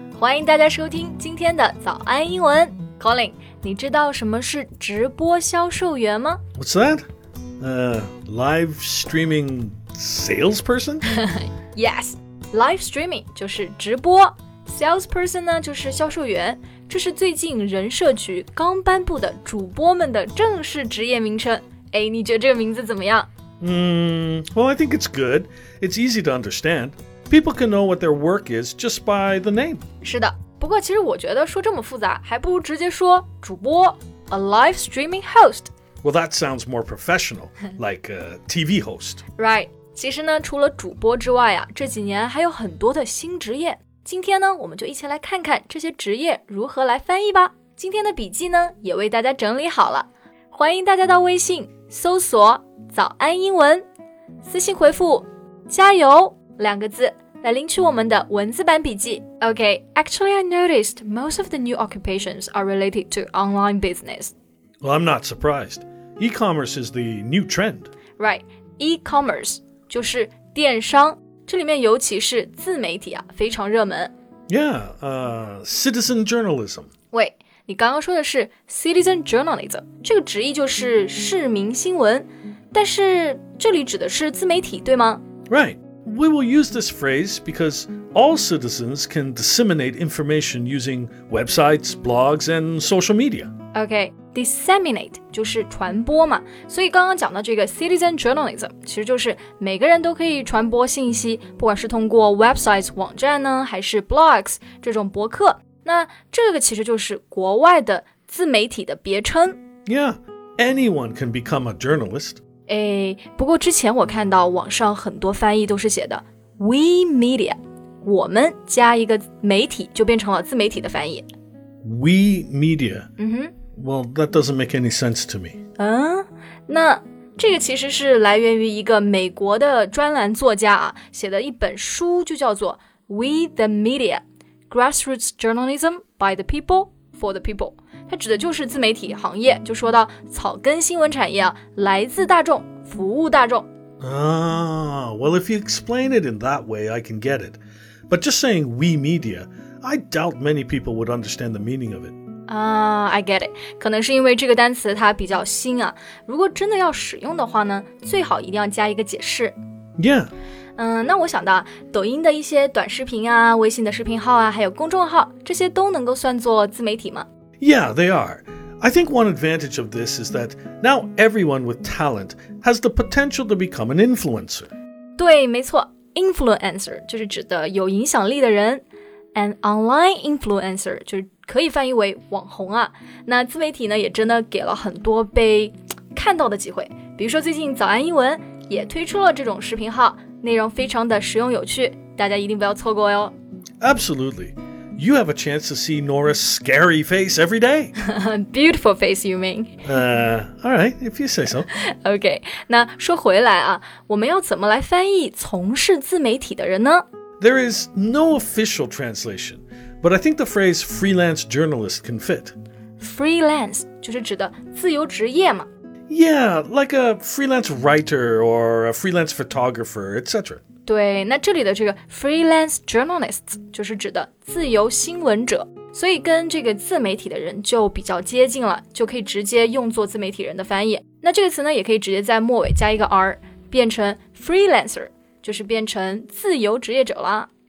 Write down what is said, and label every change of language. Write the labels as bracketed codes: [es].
[zh] 欢迎大家收听今天的早安英文。Colin, 你知道什么是直播销售员吗？ [en] What's that? Live streaming salesperson? Yes, live streaming [zh] 就是直播。 Salesperson 呢就是销售员，这是最近人社局刚颁布的主播们的正式职业名称。哎，你觉得这个名字怎么样？ [en] Well, I think it's good. It's easy to understand. People can know what their work is just by the name. [zh] 是的，不过其实我觉得说这么复杂，还不如直接说主播 ， [en] a live streaming host. Well, that sounds more professional, like a TV host. Right. [zh] 其实呢，除了主播之外啊，这几年还有很多的新职业。今天呢，我们就一起来看看这些职业如何来翻译吧。今天的笔记呢，也为大家整理好了。欢迎大家到微信搜索早安英文，私信回复加油两个字来领取我们的文字版笔记。 [en] Okay, actually I noticed most of the new occupations are related to online business. Well, I'm not surprised. E-commerce is the new trend. [zh] Right, e-commerce 就是电商，这里面尤其是自媒体啊，非常热门。 [en] Yeah, citizen journalism. [zh] Wait,你刚刚说的是 citizen journalism, 这个职业就是市民新闻，但是这里指的是自媒体，对吗？ [en] Right. We will use this phrase because all citizens can disseminate information using websites, blogs, and social media. [zh] Okay, disseminate 就是传播嘛，所以刚刚讲的这个 citizen journalism 其实就是每个人都可以传播信息，不管是通过 websites 网站呢，还是 blogs 这种博客。那这个其实就是国外的自媒体的别称。 [en] Yeah, anyone can become a journalist. [zh] 哎，不过之前我看到网上很多翻译都是写的 we media, 我们加一个媒体就变成了自媒体的翻译。 [en] We media. Mm-hmm. Well, that doesn't make any sense to me. [zh] 那这个其实是来源于一个美国的专栏作家啊写的一本书，就叫做 We the Media. [en] Grassroots journalism by the people for the people. [zh] 它指的就是自媒体行业，就说到草根新闻产业啊，来自大众，服务大众。 [en] Well, if you explain it in that way, I can get it. But just saying we media, I doubt many people would understand the meaning of it. I get it. [zh] 可能是因为这个单词它比较新啊。如果真的要使用的话呢，最好一定要加一个解释。 [en] Yeah. [zh] 那我想到抖音的一些短视频啊，微信的视频号啊，还有公众号，这些都能够算作自媒体吗？ [en] Yeah, they are. I think one advantage of this is that now everyone with talent has the potential to become an influencer. [zh] 对，没错， influencer 就是指的有影响力的人， an online influencer 就是可以翻译为网红啊。那自媒体呢，也真的给了很多被看到的机会，比如说最近早安英文也推出了这种视频号，内容非常的实用有趣，大家一定不要错过哟。 [en] Absolutely. You have a chance to see Nora's scary face every day. Beautiful face, you mean? Alright, if you say so. [zh] Okay, 那说回来啊，我们要怎么来翻译从事自媒体的人呢？ [en] There is no official translation, but I think the phrase freelance journalist can fit. [zh] Freelance 就是指的自由职业嘛。 [en] Yeah, like a freelance writer or a freelance photographer, etc. [zh] 对，那这里的这个 freelance journalists 就是指的自由新闻者，所以跟这个自媒体的人就比较接近了，就可以直接用作自媒体人的翻译。那这个词呢，也可以直接在末尾加一个 r， 变成 freelancer， 就是变成自由职业者啦。